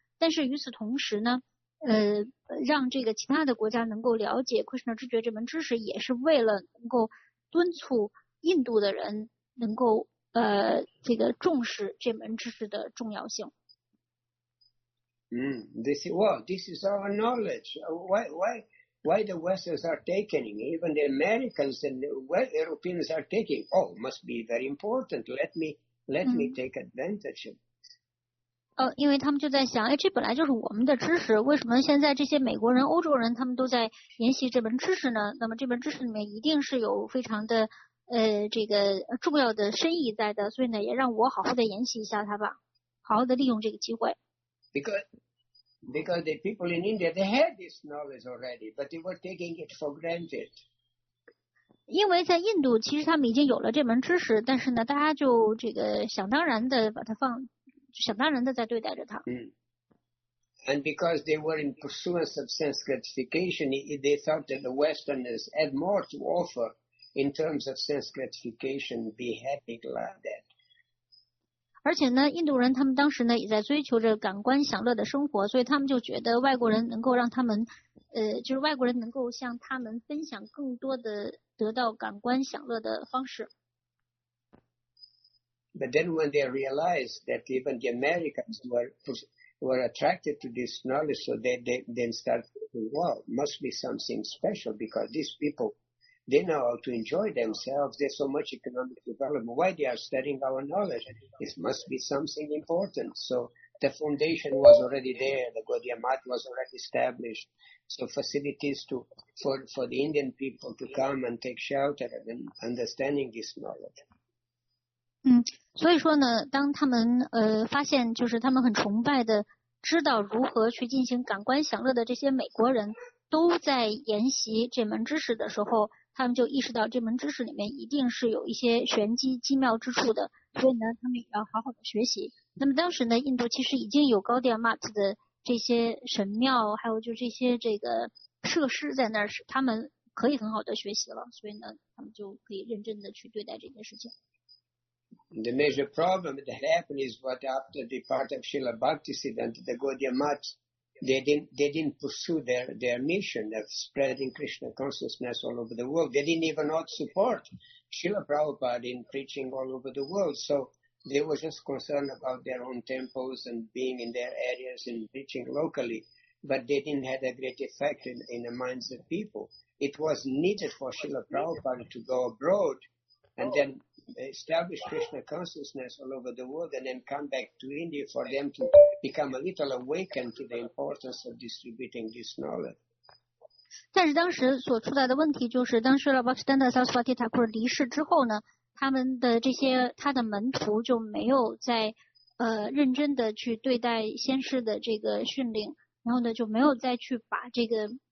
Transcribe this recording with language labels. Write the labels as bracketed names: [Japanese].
[Chinese] 但是与此同时呢让这个其他的国家能够了解 Krishna 知觉这门知识，也是为了能够敦促印度的人能够这个重视这门知识的重要性。 [English] This is our knowledge. Why the Westerners are taking, even the Americans and the Europeans are taking, oh, must be very important. Let me take advantage of it. [Chinese] 因为他们就在想，这本来就是我们的知识，为什么现在这些美国人、欧洲人他们都在研习这门知识呢？那么这门知识里面一定是有非常的这个重要的深意在的，所以呢，也让我好好的研习一下它吧，好好的利用这个机会。 [English] Because the people in India, they had this knowledge already, but they were taking it for granted. [Chinese] 因为在印度，其实他们已经有了这门知识，但是呢，大家就这个想当然的把它放，想当然的在对待着它。 [English] And because they were in pursuance of sense gratification, they thought that the Westerners had more to offer in terms of sense gratification. Be happy, glad that. [Chinese] 而且呢印度人他们当时呢也在追求着感官享乐的生活，所以他们就觉得外国人能够让他们就是外国人能够向他们分享更多的得到感官享乐的方式。 [English] But then when they realized that even the Americans were attracted to this knowledge, so they then started thinking, wow, must be something special because these people, they know how to enjoy themselves. There's so much economic development. Why they are studying our knowledge? This must be something important. So the foundation was already there. The Gaudiya Math was already established. So facilities for the Indian people to come and take shelter and understanding this knowledge. [Chinese] 所以说呢，当他们发现就是他们很崇拜的，知道如何去进行感官享乐的这些美国人都在研习这门知识的时候，他们就意识到这门知识里面一定是有一些玄机机妙之处的，所以呢他们也要好好的学习。那么当时呢印度其实已经有Gaudiya Math的这些神庙还有就这些这个设施在那儿，是他们可以很好的学习了，所以呢他们就可以认真的去对待这件事情。 [English] The major problem that happened is what after the part of Srila Bhaktisiddhanta, the Gaudiya MathThey didn't pursue their mission of spreading Krishna consciousness all over the world. They didn't even not support Srila Prabhupada in preaching all over the world. So they were just concerned about their own temples and being in their areas and preaching locally. but they didn't have a great effect in the minds of people. It was needed for Srila Prabhupada to go abroad and then establish Krishna consciousness all over the world and then come back to India for them to become a little awakened to the importance of distributing this knowledge. [Chinese] 但是当时所出来的问题就是当时了 Bhaktisiddhanta Saraswati Thakur 离世之后呢他们的这些他的门徒就没有在认真的去对待先师的这个训令然后呢就没有再去把这个